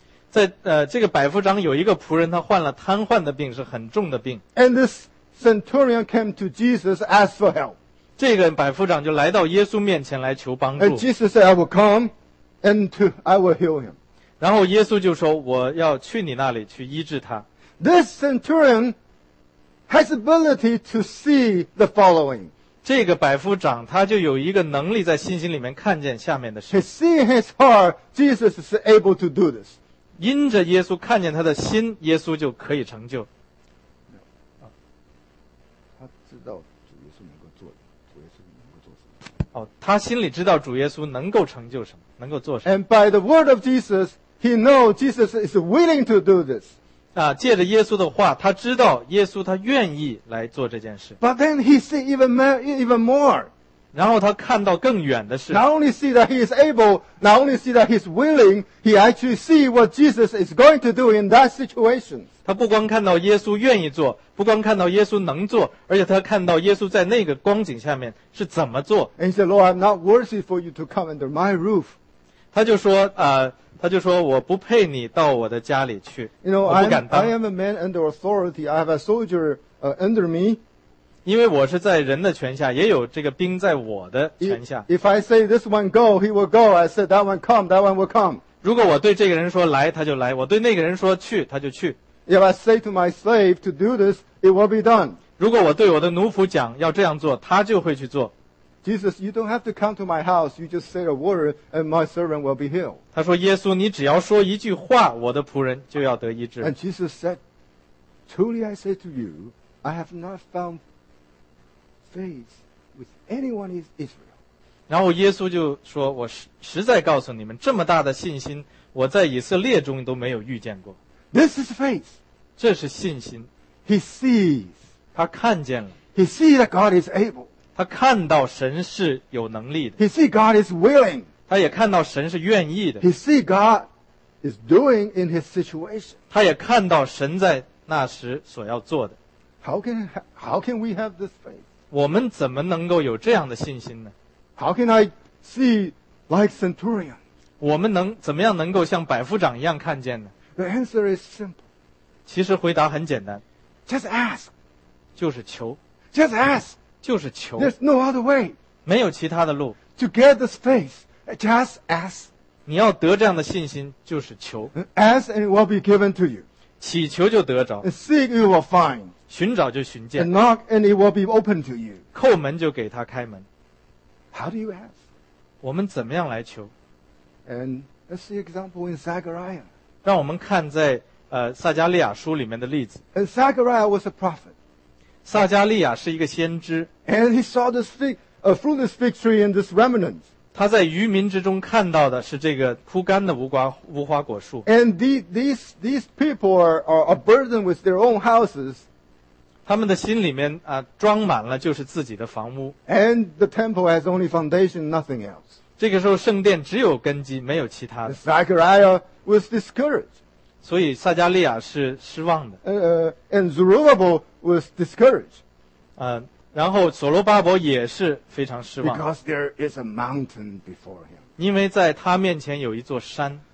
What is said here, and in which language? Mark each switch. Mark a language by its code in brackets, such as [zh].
[zh] 在这个百夫长有一个仆人，他患了瘫痪的病，是很重的病。 [en] And this centurion came to Jesus ask for help. [zh] 这个百夫长就来到耶稣面前来求帮助。 [en] And Jesus said, "I will come, and I will heal him." [zh] 然后耶稣就说，我要去你那里去医治他。 [en] This centurion has ability to see the following. [zh] 这个百夫长他就有一个能力在信心里面看见下面的事。 [en] He see his heart, Jesus is able to do this. [zh] 因着耶稣看见他的心，耶稣就可以成就。他知道主耶稣能够做，主耶稣能够做什么。他心里知道主耶稣能够成就什么，能够做什么。 [en] And by the word of Jesus, he knows Jesus is willing to do this. [zh] 借着耶稣的话，他知道耶稣他愿意来做这件事。 [en] But then he see even more. [zh] 然后他看到更远的事。 [en] Not only see that he is able, not only see that he is willing, he actually see what Jesus is going to do in that situation. [zh] 他不光看到耶稣愿意做，不光看到耶稣能做，而且他看到耶稣在那个光景下面是怎么做。 [en] And he said, Lord, I'm not worthy for you to come under my roof. [zh] 他就说他就说我不配你到我的家里去 [en] you know, [zh] 我不敢当 [en] I am a man under authority I have a soldier under me [zh] 因为我是在人的权下，也有这个兵在我的权下。 [en] If I say this one go, he will go. I said that one come, that one will come. [zh] 如果我对这个人说来，他就来；我对那个人说去，他就去。 [en] If I say to my slave to do this, it will be done. [zh] 如果我对我的奴仆讲要这样做，他就会去做。 [en] Jesus, you don't have to come to my house. You just say a word, and my servant will be healed. [zh] 他说：“耶稣，你只要说一句话，我的仆人就要得医治。” [en] And Jesus said, "Truly, I say to you, I have not found faith with anyone in Israel." [zh] 然后耶稣就说：“我实在告诉你们，这么大的信心，我在以色列中都没有遇见过。” [en] This is faith. [zh] 这是信心。 [en] He sees. [zh] 他看见了。 [en] He sees that God is able. [zh] 他看到神是有能力的。 [en] He see God is willing. [zh] 他也看到神是愿意的。 [en] He see God is doing in his situation. [zh] 他也看到神在那时所要做的。 [en] How can we have this faith? [zh] 我们怎么能够有这样的信心呢？ [en] How can I see like centurion? [zh] 我们怎么样能够像百夫长一样看见呢？ [en] The answer is simple. [zh] 其实回答很简单。 [en] Just ask. [zh] 就是求。 [en] Just ask. [zh] 就是求。 [en] There's no other way. [zh] 没有其他的路。 [en] To get this faith, just ask. [zh] 你要得这样的信心，就是求。 [en] Ask and it will be given to you. [zh] 祈求就得着。 [en] Seek you will find. [zh] 寻找就寻见。 [en] Knock and it will be opened to you. [zh] 叩门就给他开门。 [en] How do you ask? [zh] 我们怎么样来求？ [en] And let's see example in Zechariah. [zh] 让我们看在撒迦利亚书里面的例子。 [en] And Zechariah was a prophet. [zh] 撒迦利亚是一个先知。 [en] And he saw this fruitless fig tree and this remnant. [zh] 他在渔民之中看到的是这个枯干的无花果树。 [en] And these people are a burden with their own houses. [zh] 他们的心里面啊装满了就是自己的房屋。 [en] And the temple has only foundation, nothing else. [zh] 这个时候圣殿只有根基，没有其他的。 [en] Zechariah was discouraged. [zh] 所以撒迦利亚是失望的。 [en] And Zerubbabel was discouraged. [zh] 然后所罗巴伯也是非常失望。 [en] Because there is a mountain before him. [zh] 因为在他面前有一座山。